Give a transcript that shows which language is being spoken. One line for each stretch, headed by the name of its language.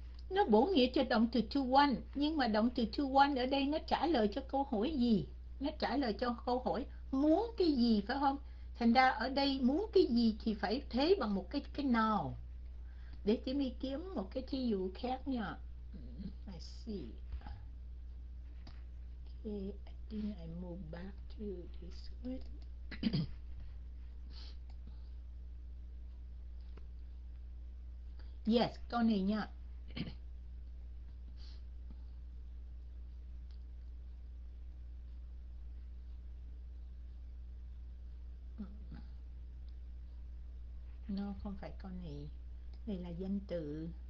Vietnamese: Nó bổ nghĩa cho động từ to want, nhưng mà động từ to want ở đây nó trả lời cho câu hỏi gì? Nó trả lời cho câu hỏi muốn cái gì, phải không? Thành ra ở đây muốn cái gì thì phải thế bằng một cái nào. Để tìm đi kiếm một cái thí dụ khác nha.
English: I see. Okay, I think I move back to this one.
Vietnamese: Này nha. No, không phải con này. Đây là danh từ.